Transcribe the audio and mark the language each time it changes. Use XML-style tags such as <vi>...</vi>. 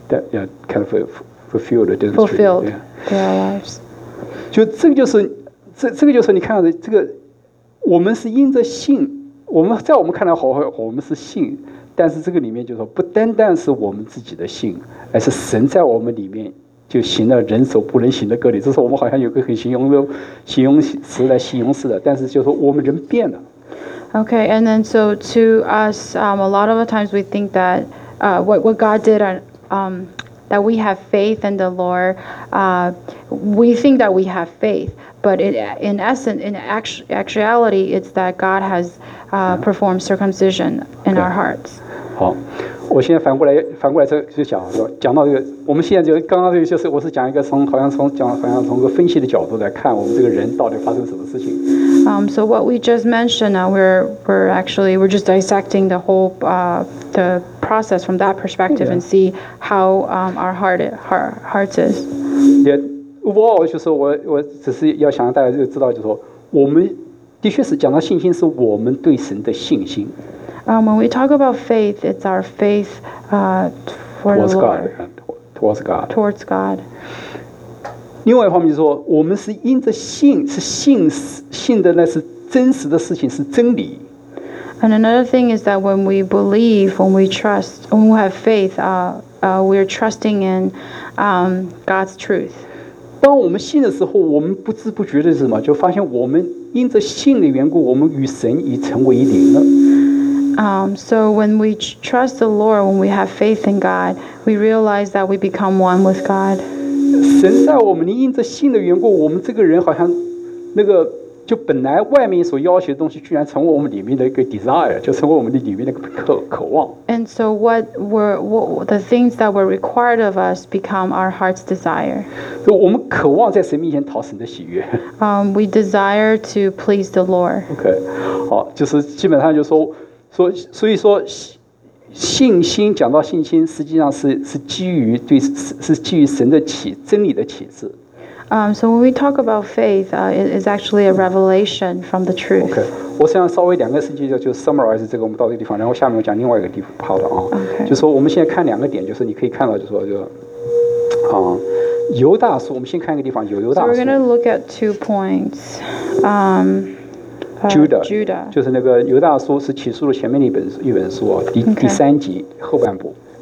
<en>That kind of fulfilled, didn't it? Fulfilled through our lives.</en> <zh>就这个就是这个就是你看到的这个，我们是因着信，我们在我们看来好，我们是信，但是这个里面就是说，不单单是我们自己的信，而是神在我们里面。就行了人手不能行的割礼，这是我们好像有个很形容的形容词来形容似的，但是就是说我们人变了。</zh> <en>Okay, and then so to us, a lot of the times we think that what God did, that we have faith in the Lord, we think that we have faith, but in actuality, it's that God has performed circumcision in our hearts.</en> <zh>好。我现在反过来就讲到这个，我们现在就刚刚这个就是我是讲一个从好像从讲好像从个分析的角度来看我们这个人到底发生什么事情。</zh> <en>So what we just mentioned, we're just dissecting the whole the process from that perspective and see how our hearts is.</en> <zh>Yeah, overall 就是我只是要想让大家就知道，就是说我们的确是讲到信心，是我们对神的信心。</zh> <en>When we talk about faith, it's our faith for towards the Lord. God, towards God. Towards God.</en> <zh>另外一方面就是说，我们是因着信，是信，信的那是真实的事情，是真理。</zh> <en>And another thing is that when we believe, when we trust, when we have faith, we're trusting in God's truth.</en> <zh>当我们信的时候，我们不知不觉的是什么？就发现我们因着信的缘故，我们与神已成为一灵了。</zh> <en>So when we trust the Lord, when we have faith in God, we realize that we become one with God.</en> <zh>神在我们因着信的缘故，我们这个人好像那个就本来外面所要求的东西，居然成为我们里面的一个 desire， 就成为我们的里面的一个渴望。</zh> <en>And so what the things that were required of us become our heart's desire.</en> <zh>所以我们渴望在神面前讨神的喜悦。</zh> <en>We desire to please the Lord.</en> <zh>Okay, 好，就是基本上就是说。所以说信心，讲到信心实际上 是基于神的启真理的启示。</zh> <en>So when we talk about faith, it's actually a revelation from the truth.</en> <zh>Okay, 我想稍微两个事情就 summarize 这个我们到这个地方，然后下面我讲另外一个地方跑的啊。</zh> <en>Okay.</en> <zh>就说我们现在看两个点，就是你可以看到就说就犹大书，我们先看一个地方，犹大书。</zh> <en>So we're going to look at two points. Judah</en> <zh>就是那个犹大书，是启示录前面的一本书，第三集后半部。</zh>